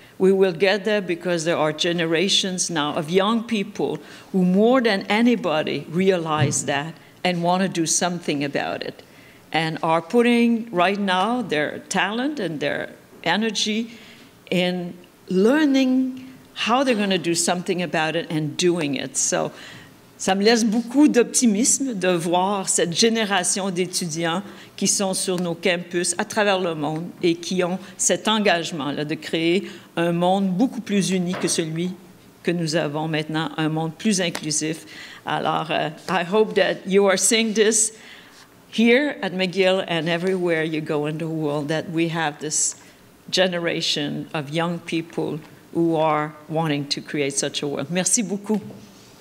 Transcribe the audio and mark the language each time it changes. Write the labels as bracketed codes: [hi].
[en] We will get there because there are generations now of young people who more than anybody realize that and want to do something about it and are putting right now their talent and their energy in learning how they're going to do something about it and doing it. So [fr] ça me laisse beaucoup d'optimisme de voir cette génération d'étudiants qui sont sur nos campus à travers le monde et qui ont cet engagement-là de créer un monde beaucoup plus uni que celui que nous avons maintenant, un monde plus inclusif. Alors, [en] I hope that you are seeing this here at McGill and everywhere you go in the world, that we have this generation of young people who are wanting to create such a world. [fr] Merci beaucoup.